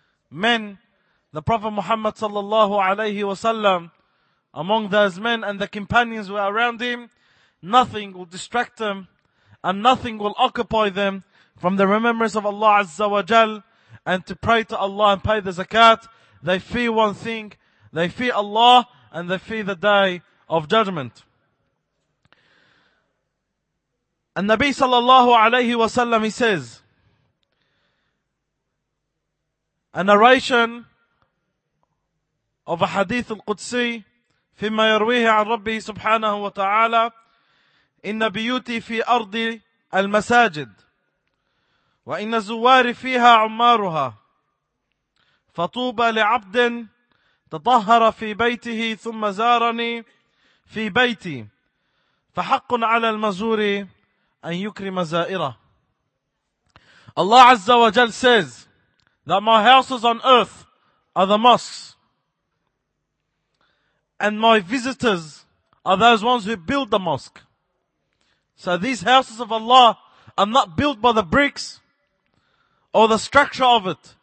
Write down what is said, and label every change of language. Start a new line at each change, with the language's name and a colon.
English: Men, the Prophet Muhammad sallallahu alayhi wa sallam, among those men and the companions who were around him, nothing will distract them and nothing will occupy them from the remembrance of Allah Azza wa Jal and to pray to Allah and pay the zakat. They fear one thing, they fear Allah and they fear the day of judgment. And Nabi sallallahu alayhi wa sallam, he says, a narration of a hadith al-Qudsi,
Arabic: فيما يرويه عن ربه سبحانه وتعالى إن بيوتي في أرضي المساجد وإن زواري فيها عمارها فطوبى لعبد تطهر في بيته ثم زارني في بيتي فحق على المزور أن يكرم زائره.
English: Allah Azza wa Jal says that my houses on earth are the mosques, and my visitors are those ones who build the mosque. So these houses of Allah are not built by the bricks or the structure of it.